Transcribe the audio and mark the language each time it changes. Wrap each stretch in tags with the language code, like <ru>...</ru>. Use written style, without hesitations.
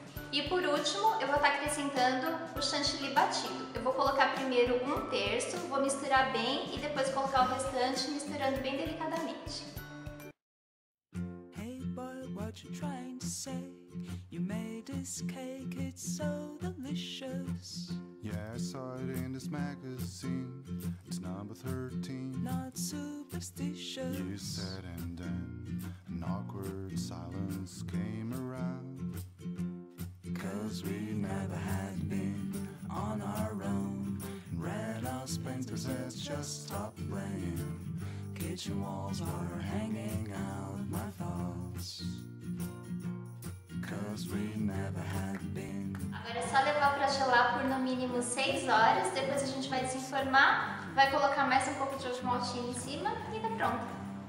<pt>E por último, eu vou estar acrescentando o chantilly batido. Eu vou colocar primeiro 1/3, vou misturar bem e depois colocar o restante, misturando bem delicadamente.</pt> <en>Hey boy, what you trying to say? You made this cake, it's so delicious. Yeah, I saw it in this magazine. It's number 13. Not superstitious. You said and then an awkward silence came around. Cause we never had been on our own. Red house painters had just stopped playing. Kitchen walls were hanging out my thoughts. Cause we never had been.</en> <pt>Agora é só levar pra gelar por no mínimo 6 horas. Depois a gente vai desenformar, vai colocar mais um pouco de ovo maltine em cima e tá pronto.</pt>